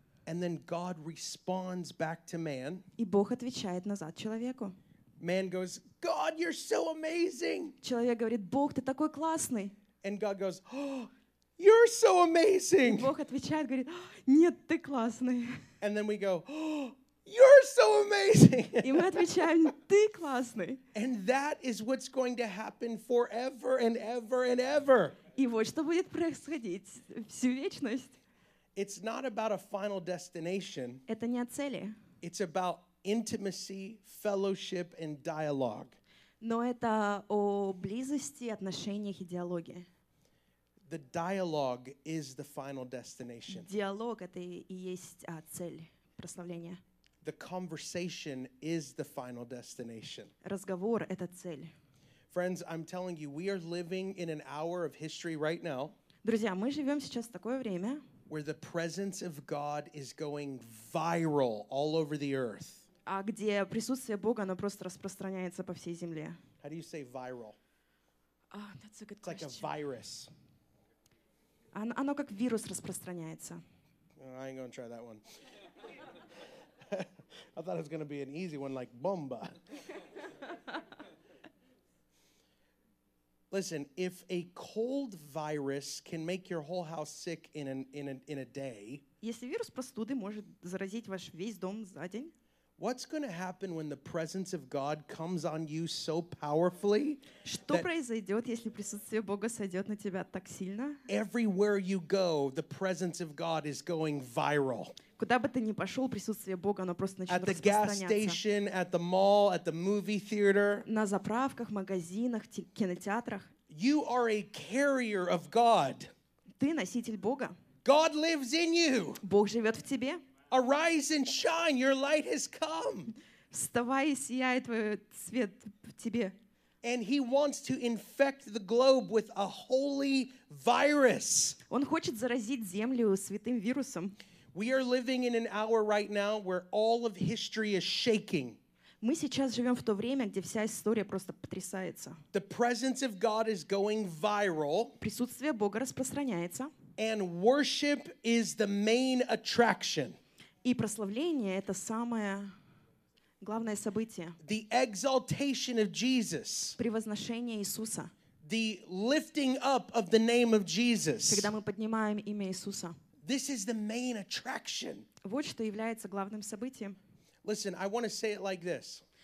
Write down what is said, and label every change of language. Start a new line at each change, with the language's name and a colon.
English: And then God responds back to man.
Russian: И Бог отвечает назад человеку.
English: Man goes, God, you're so amazing.
Russian: Человек говорит, Бог, ты такой классный.
English: And God goes, oh, you're so amazing.
Russian: И Бог отвечает, говорит, нет, ты классный.
English: And then we go, oh, you're so amazing.
Russian: И мы отвечаем, ты классный.
English: And that is what's going to happen forever and ever and ever.
Russian: И вот что будет происходить всю вечность.
English: It's not about a final destination.
Russian: Это не о цели.
English: It's about intimacy, fellowship, and dialogue.
Russian: Но это о близости, отношениях и диалоге.
English: The dialogue is the final destination.
Russian: Диалог — это и есть цель прославления.
English: The conversation is the final destination.
Russian: Разговор — это цель.
English: Friends, I'm telling you, we are living in an hour of history right now.
Russian: Друзья, мы живем сейчас в такое время,
English: where the presence of God is going viral all over the earth.
Russian: А где присутствие Бога, оно просто распространяется по всей земле.
English: How do you say viral? Oh, that's a good question. It's like a virus.
Russian: Оно как вирус распространяется.
English: I ain't gonna try that one. I thought it was gonna be an easy one like bomba. Listen, if a cold virus can make your whole house sick in a day,
Russian: если вирус простуды может заразить ваш весь дом за день,
English: what's going to happen when the presence of God comes on you so powerfully?
Russian: Что произойдет, если присутствие Бога сойдет на тебя так сильно?
English: Everywhere you go, the presence of God is going viral.
Russian: Куда бы ты ни пошел, присутствие Бога, оно просто начнет распространяться.
English: At the gas station, at the mall, at the movie theater.
Russian: На заправках, магазинах, кинотеатрах.
English: You are a carrier of God.
Russian: Ты носитель Бога.
English: God lives in you.
Russian: Бог живет в тебе.
English: Arise and shine, your light has come.
Russian: Вставай, сияй, твой свет в тебе.
English: And he wants to infect the globe with a holy virus.
Russian: Он хочет заразить землю святым вирусом.
English: We are living in an hour right now where all of history is shaking.
Russian: Мы сейчас живем в то время, где вся история просто потрясается.
English: The presence of God is going viral.
Russian: Присутствие Бога распространяется.
English: And worship is the main attraction.
Russian: И прославление — это самое главное событие.
English: The exaltation of Jesus.
Russian: Превозношение Иисуса.
English: The lifting up of the name of Jesus.
Russian: Когда мы поднимаем имя Иисуса.
English: This is the main attraction.
Russian: Вот что является главным событием.
English: Listen, I want to say it like this.